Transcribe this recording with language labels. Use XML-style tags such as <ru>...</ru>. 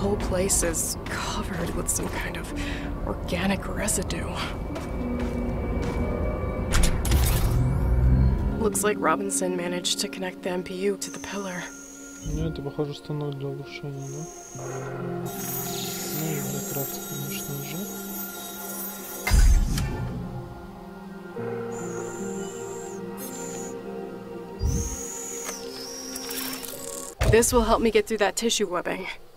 <en>This is covered with some kind of organic residue. Looks like Robinson managed to connect the MPU to the pillar.</en> <ru>Ну, это похоже станок для улучшения, да? Ну, и для крафта, конечно же.</ru> <en>This will help me get through that tissue webbing.</en>